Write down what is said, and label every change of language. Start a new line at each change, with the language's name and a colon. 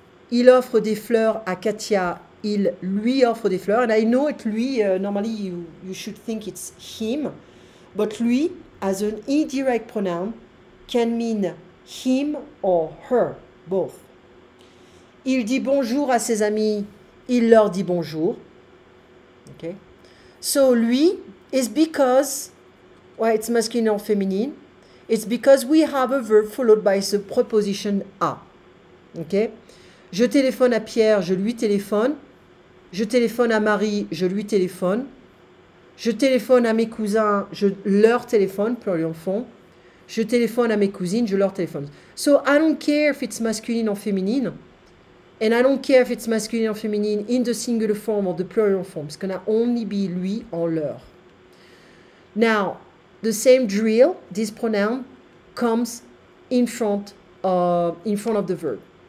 French: Il offre des fleurs à Katia, il lui offre des fleurs.
English: And I know it lui, normally you should think it's him. But lui, as an indirect pronoun, can mean him or her, both.
French: Il dit bonjour à ses amis. Il leur dit bonjour. Okay.
English: So, lui is because, well, it's masculine or feminine. It's because we have a verb followed by the preposition à.
French: Okay. Je téléphone à Pierre, je lui téléphone. Je téléphone à Marie, je lui téléphone. Je téléphone à mes cousins, je leur téléphone, pour les enfants. Je téléphone à mes cousines, je leur téléphone.
English: So, I don't care if it's masculine or feminine. And I don't care if it's masculine or feminine in the singular form or the plural form. It's going to only be lui or leur. Now, the same drill, this pronoun, comes in front of the verb.